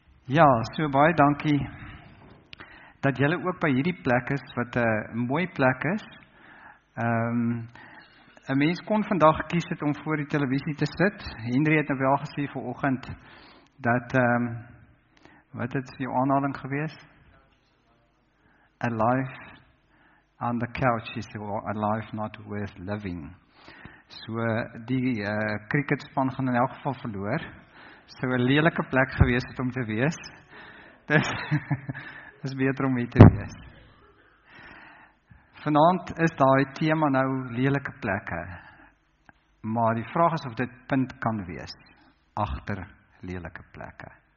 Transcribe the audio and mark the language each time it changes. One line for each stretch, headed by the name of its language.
Afrikaans: Ja, so baie dankie dat julle ook by hierdie plek is, wat 'n mooi plek is. 'N mens kon vandag kies het om voor die televisie te sit. Henry het nou wel gesê vanoggend dat wat het jou aanhaling gewees?
English: A life on the couch is a life not worth living.
Afrikaans: So die cricketspan gaan in elk geval verloor. So 'n lelike plek gewees het om te wees. Dis is beter om hier te wees. Vanaand is daai tema nou lelike plekke. Maar die vraag is of dit punt kan wees agter lelike plekke.